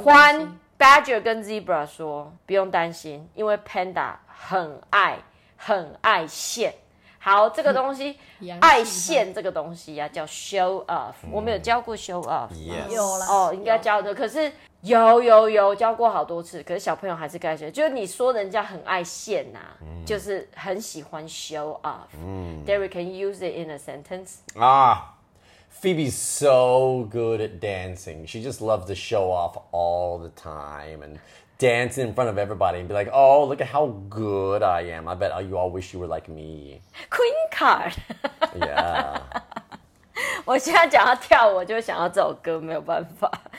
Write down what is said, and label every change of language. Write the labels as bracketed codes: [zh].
[zh] 欢 badger 跟 zebra 说不用担心，因为 panda 很爱线。好，这个东西，爱现这个东西啊，叫 show off、嗯。我们有教过 show off，有了哦，应该教的。可是有教过好多次，可是小朋友还是该学。就是你说人家很爱现啊、嗯，就是很喜欢 show off。 [en] 嗯、Derek can you use it in a sentence. Ah, Phoebe's so good at dancing. She just loves to show off all the time and. Dance in front of everybody and be like, oh, look at how good I am. I bet you all wish you were like me. Queen card. yeah. [zh] 我现在讲到跳舞，我就想到这首歌，没有办法。